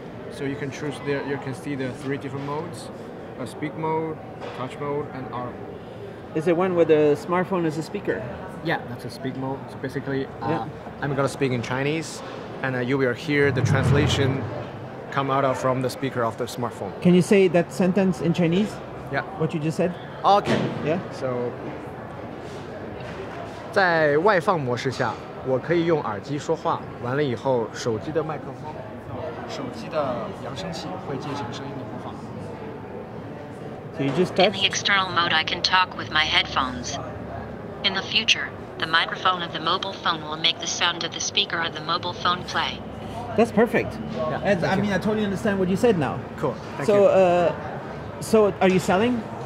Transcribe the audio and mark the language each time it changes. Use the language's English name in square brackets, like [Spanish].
[English] So you can choose there, you can see the three different modes, a speak mode, touch mode, and arm. Is it one where the smartphone is a speaker? Yeah, that's a speak mode. So basically, I'm going to speak in Chinese, and you will hear the translation come out of from the speaker of the smartphone. Can you say that sentence in Chinese? Yeah. What you just said? Okay. Yeah? [Chinese] So, 在外放模式下，我可以用耳机说话，完了以后，手机的麦克风，手机的扬声器会进行声音的播放。 [English] So you just touch? In the external mode, I can talk with my headphones. In the future, the microphone of the mobile phone will make the sound of the speaker of the mobile phone play. That's perfect. Yeah, I mean, I totally understand what you said now. Cool. So are you selling?